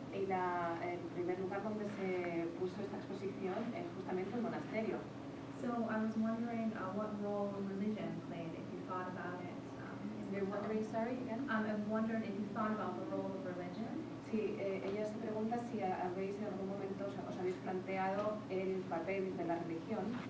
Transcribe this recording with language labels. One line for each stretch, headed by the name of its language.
Spanish: Y la, el primer lugar donde se puso esta exposición es justamente el monasterio.
English: So I was wondering what role religion played, if you thought about it. I'm wondering if you thought about the role of religion.
Spanish: Sí, ella se pregunta si habéis en algún momento os habéis planteado el papel de la religión.